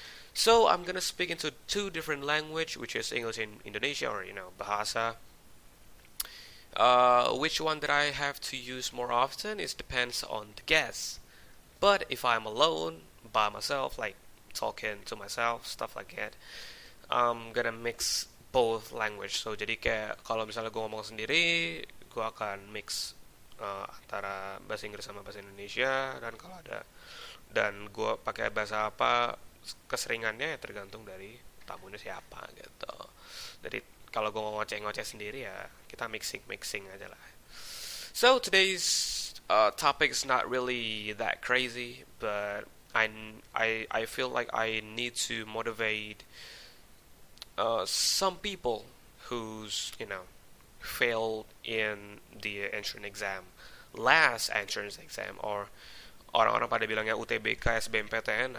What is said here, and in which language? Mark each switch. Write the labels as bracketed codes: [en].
[en] So I'm gonna speak into two different language, which is English and Indonesia, or you know, Bahasa. Which one that I have to use more often is depends on the guest. But if I'm alone by myself, like talking to myself, stuff like that, I'm gonna mix both language. [id] So jadi kayak kalau misalnya gue ngomong sendiri, gue akan mix antara bahasa Inggris sama bahasa Indonesia, dan kalau ada dan gue pakai bahasa apa, keseringannya ya tergantung dari tamunya siapa gitu. Jadi kalau gue ngoceh-ngoceh sendiri ya kita mixing aja lah. [en] So today's topic is not really that crazy, but I feel like I need to motivate some people who's, you know, failed in the entrance exam, last entrance exam, or [id] orang-orang pada bilangnya UTBK, SBMPTN.